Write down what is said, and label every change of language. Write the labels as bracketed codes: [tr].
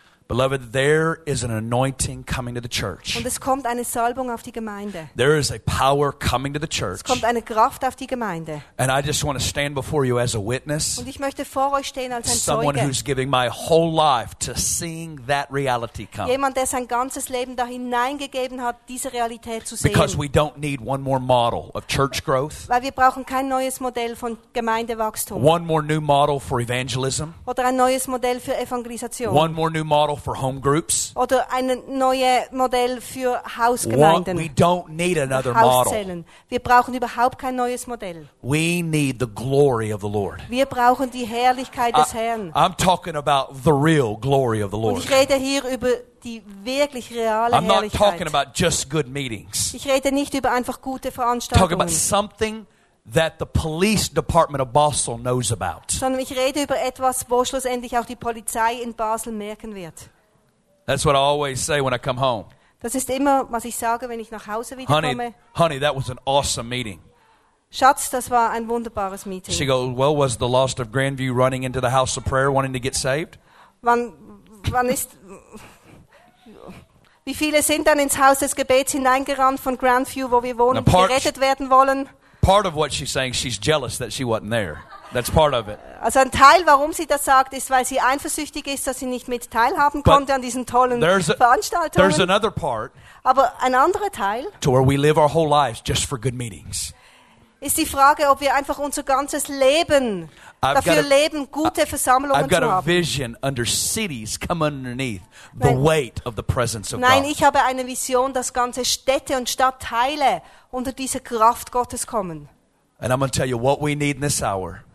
[en] Beloved, there is an anointing coming to the church. [de] Und es kommt eine Salbung auf die Gemeinde. [en] There is a power coming to the church. [de] Es kommt eine Kraft auf die Gemeinde. [en] And I just want to stand before you as a witness. [de] Und ich möchte vor euch stehen als ein Zeuge. [en] Someone who's giving my whole life to seeing that reality come. [de] Jemand, der sein ganzes Leben da hineingegeben hat, diese Realität zu sehen. [en] Because we don't need one more model of church growth. [de] Weil wir brauchen kein neues Modell von Gemeindewachstum. [en] One more new model for evangelism. [de] Oder ein neues Modell für Evangelisation. [en] One more new model for home groups. [de] Oder ein neues Modell für Hausgemeinden. [en] We don't need another model. [de] Wir brauchen überhaupt kein neues Modell. [en] We need the glory of the Lord. [de] Wir brauchen die Herrlichkeit des Herrn. [en] I'm talking about the real glory of the Lord. [de] Und ich rede hier über die wirklich reale Herrlichkeit. [en] I'm not talking about just good meetings. [de] Ich rede nicht über einfach gute Veranstaltungen. [en] Talk about something that the police department of Basel knows about. [de] Sondern ich rede über etwas, wo schlussendlich auch die Polizei in Basel merken wird. [en] That's what I always say when I come home. [de] Das ist immer, was ich sage, wenn ich nach Hause wiederkomme. [en] Honey, that was an awesome meeting. [de] Schatz, das war ein wunderbares Meeting. [en] She goes, well, was the lost of Grandview running into the house of prayer wanting to get saved? [de] Wann ist wie viele sind dann ins Haus des Gebets hineingerannt von Grandview, wo wir wohnen, gerettet werden wollen? [en] Part of what she's saying, she's jealous that she wasn't there. That's part of it. [de] Also ein Teil, warum sie das sagt, ist, weil sie eifersüchtig ist, dass sie nicht mit teilhaben konnte an diesen tollen Veranstaltungen. [en] There's another part. [de] Aber ein anderer Teil. [en] To where we live our whole lives just for good meetings. [de] Ist die Frage, ob wir einfach unser ganzes Leben dafür leben, gute Versammlungen zu haben. [en] I've got a vision under cities come underneath the weight of the presence of God. [de] Nein, ich habe eine Vision, dass ganze Städte und Stadtteile unter diese Kraft Gottes kommen. [en] And I'm going to tell you what we need in this hour.